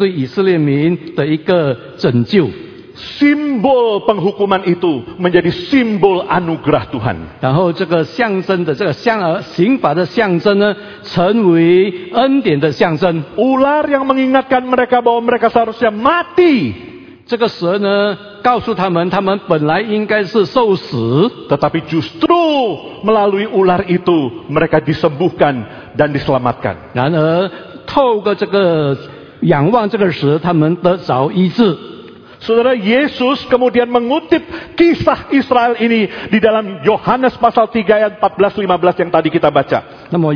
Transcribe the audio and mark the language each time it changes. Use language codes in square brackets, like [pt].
[zh] 刚才那个象征做这个上帝的审判和这个刑罚的，然后能够原来也象征做上帝将对以色列民的一个拯救。 [id] Simbol penghukuman itu menjadi simbol anugerah Tuhan. [zh] 然后这个象征的这个刑罚的象征呢，成为恩典的象征。 [id] Ular yang mengingatkan mereka bahwa mereka seharusnya mati. [zh] 这个蛇呢，告诉他们，他们本来应该是受死。 [id] Tetapi justru melalui ular itu mereka disembuhkan dan diselamatkan. [zh] 然而，透过这个仰望这个蛇，他们得着医治。 [id] Saudara, Yesus kemudian mengutip kisah Israel ini di dalam Yohanes pasal 3 ayat 14-15 yang tadi kita baca.